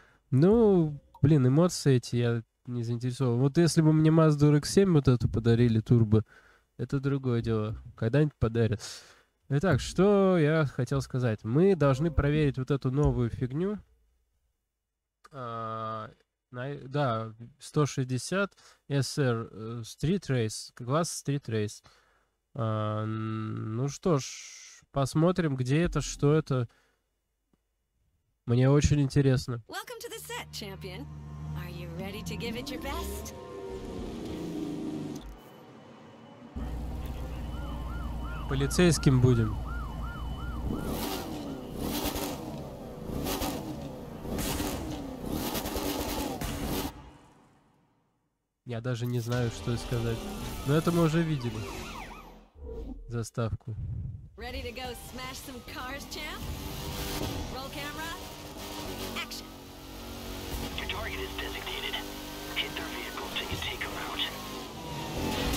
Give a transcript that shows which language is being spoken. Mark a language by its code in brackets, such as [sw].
[ru] Ну, блин, эмоции эти я... не заинтересован. Вот если бы мне Mazda RX-7 вот эту подарили, турбо, это другое дело. Когда-нибудь подарят. Итак, что я хотел сказать. Мы должны проверить вот эту новую фигню. Да, 160 SR Street Race. Класс Street Race. Ну что ж, посмотрим, где это, что это. Мне очень интересно. [en] Welcome to the set, champion. Ready to give it your best? [ru] Полицейским будем. Я даже не знаю, что сказать. Но это мы уже видели. Заставку. [en] Ready to go smash some cars, champ? Roll camera. Action. Your target is designated. Hit their vehicle till you take them out.